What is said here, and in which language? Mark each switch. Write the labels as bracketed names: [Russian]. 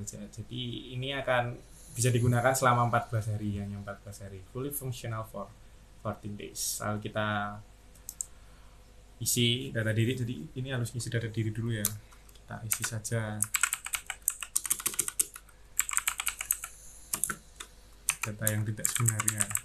[Indonesian] Jadi ini akan bisa digunakan selama 14 hari, hanya 14 hari. [English] Fully functional for 14 days. [Indonesian] Lalu kita isi data diri, jadi ini harus isi data diri dulu ya. Kita isi saja. Data yang tidak sebenarnya.